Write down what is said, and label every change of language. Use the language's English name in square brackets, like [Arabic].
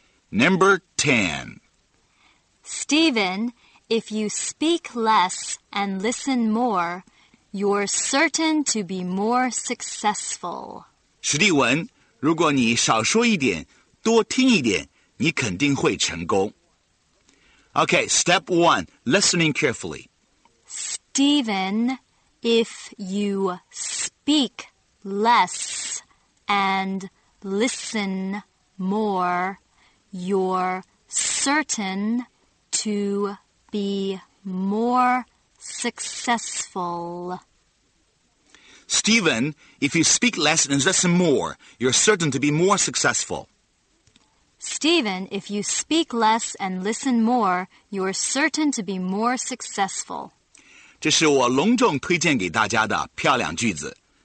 [English] Number 10. Stephen, if you speak less and listen more,You're certain to be more successful. [Chinese] 史蒂文，如果你少说一点，多听一点，你肯定会成功。 [English] Okay, step one, listening carefully. Stephen, if you speak less and listen more, you're certain to be more successful. Stephen, if you speak less and listen more, you're certain to be more successful. Stephen, if you speak less and listen more, you're certain to be more successful. [Chinese] 这是我隆重推荐给大家的漂亮句子。